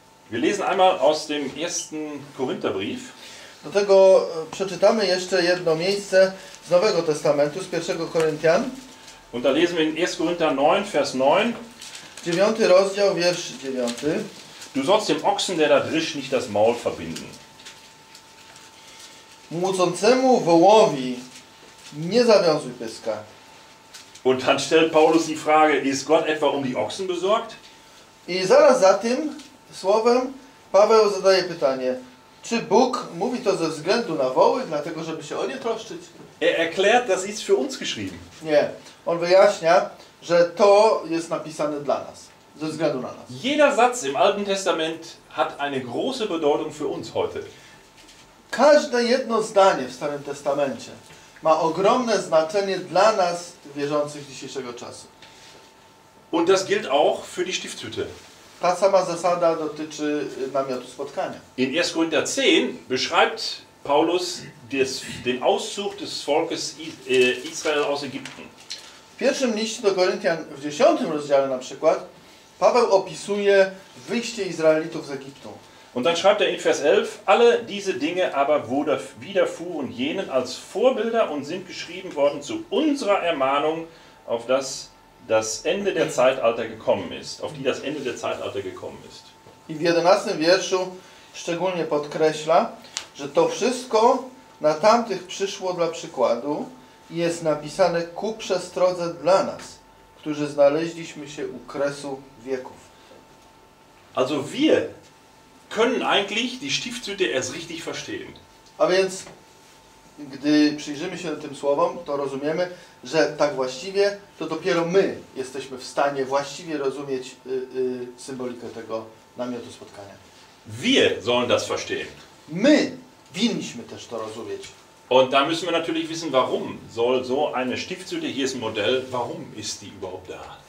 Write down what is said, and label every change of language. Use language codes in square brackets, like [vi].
[de] Wir lesen einmal aus dem ersten Korintherbrief. [pl] Do tego przeczytamy jeszcze jedno miejsce z Nowego Testamentu, z 1 Koryntian. [de] Und da lesen wir in 1. Korinther 9, Vers 9. [pl] 9. rozdział, wiersz 9. [de] Du sollst dem Ochsen, der da drischt, nicht das Maul verbinden. [pl] Młócącemu wołowi nie zawiązuj pyska. [de] Und dann stellt Paulus die Frage, ist Gott etwa um die Ochsen besorgt? [pl] I zaraz za tym słowem Paweł zadaje pytanie, czy Bóg mówi to ze względu na woły, dlatego żeby się o nie troszczyć? [de] Er erklärt, das ist für uns geschrieben. [pl] Nie, on wyjaśnia, że to jest napisane dla nas, ze względu na nas. [de] Jeder Satz im Alten Testament hat eine große Bedeutung für uns heute. [pl] Każde jedno zdanie w Starym Testamencie ma ogromne znaczenie dla nas, wierzących dzisiejszego czasu. [de] Und das gilt auch für die Stiftshütte. [pl] Ta sama zasada dotyczy namiotu spotkania. [de] In 1. Korinther 10 beschreibt Paulus den Auszug des Volkes Israel aus Ägypten. [pl] W pierwszym liście do Koryntian w 10. rozdziale na przykład Paweł opisuje wyjście Izraelitów z Egiptu. [de] Und dann schreibt er in Vers 11: Alle diese Dinge aber widerfuhren jenen als Vorbilder und sind geschrieben worden zu unserer Ermahnung, auf das das Ende der Zeitalter gekommen ist, auf die das Ende der Zeitalter gekommen ist. [pl] I w 11. wierszu szczególnie podkreśla, że to wszystko na tamtych przyszło dla przykładu i jest napisane ku przestrodze dla nas, którzy znaleźliśmy się u kresu wieków. [de] Also wir können eigentlich die Stiftshütte erst richtig verstehen. [pl] A więc, gdy przyjrzymy się tym słowom, to rozumiemy, że tak właściwie, to dopiero my jesteśmy w stanie właściwie rozumieć symbolikę tego namiotu spotkania. [de] Wir sollen das verstehen. [pl] My winniśmy też to rozumieć. [de] Und da müssen wir natürlich wissen, warum soll so eine Stiftshütte, hier ist ein Modell, warum ist die überhaupt da?